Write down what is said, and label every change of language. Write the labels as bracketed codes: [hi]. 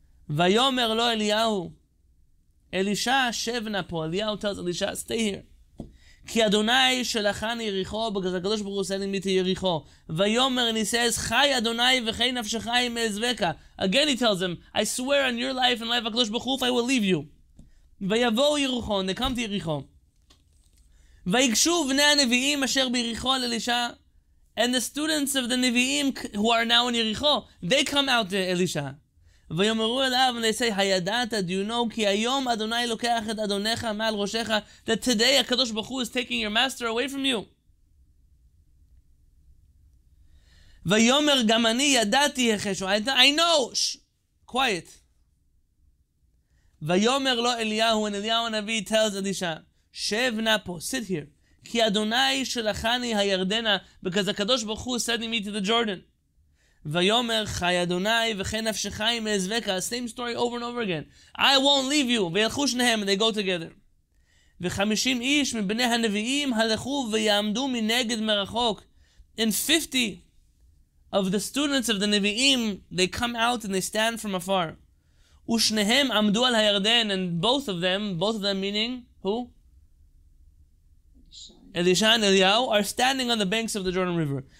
[he] Vayomer lo Eliyahu. Elisha shevna po. [en] Eliyahu tells Elisha, stay here. [he] Ki Adonai shelachani yericho, [en] because HaKadosh Baruch Hu is sending me to Yericho. [he] Vayomer, [en] and he says, [he] chai Adonai v'chei nafshechai me'ezveka. [en] Again he tells him, I swear on your life and life of HaKadosh Baruch Hu, I will leave you. [he] ויבואו יריחו, [en] they come to יריחו. [he] ויגשו בני הנביאים אשר ביריחו אל אלישע, [en] and the students of the נביאים who are now in יריחו, they come out to אלישע. [he] ויאמרו אליו, [en] and they say, [he] הידעת, [en] do you know, [he] כי היום אדוני לוקח את אדונך מעל ראשך, [en] that today הקדוש ברוך הוא is taking your master away from you. [he] ויאמר גם אני ידעתי יחשו. [en] I know. Shh. Quiet. ויאמר לו אליהו, and Eliyahu הנביא tells Elisha, [he] שב נא פה, [en] sit here. [he] כי אדוני שלחני הירדנה, [en] because הקדוש ברוך הוא sent me to the Jordan. [he] ויאמר חי אדוני וכן נפשך עם עזבקה. [en] Same story over and over again. I won't leave you. [he] וילכו שניהם, [en] and they go together. [he] וחמישים איש מבני הנביאים הלכו ויעמדו מנגד מרחוק. [en] And 50 of the students of the נביאים, they come out and they stand from afar. [he] ושניהם עמדו על הירדן, [en] and both of them meaning who? Elisha and Eliyahu are standing on the banks of the Jordan River.